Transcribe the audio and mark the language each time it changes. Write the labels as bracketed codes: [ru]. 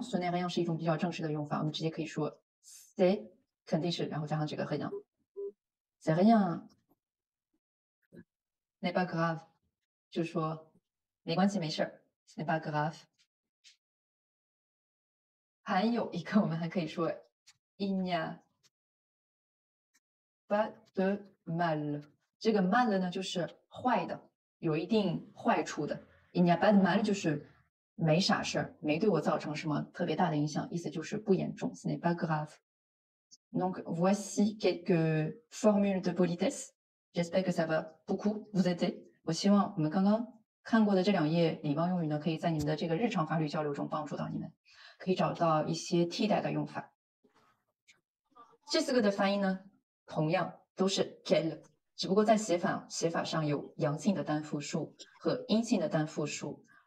[zh] Ce n'est rien 是一种比较正式的用法，我们直接可以说 c'est 肯定是，然后加上这个 rien。 [fr] C'est rien, n'est pas grave, [zh] 就是说没关系，没事 [fr] n'est pas grave。 [zh] 还有一个，我们还可以说 [fr] il n'y a pas de mal。 [zh] 这个 mal 呢，就是坏的，有一定坏处的。 [fr] il n'y a pas de mal [zh] 就是没啥事儿，没对我造成什么特别大的影响，意思就是不严重。 [fr] Ce n'est pas grave. Donc voici quelques formules de politesse. J'espère que ça va beaucoup vous aider. [zh] 我希望我们刚刚看过的这两页礼貌用语呢，可以在你们的这个日常法律交流中帮助到你们，可以找到一些替代的用法。这四个的发音呢，同样都是 quel， 只不过在写法上有阳性的单复数和阴性的单复数。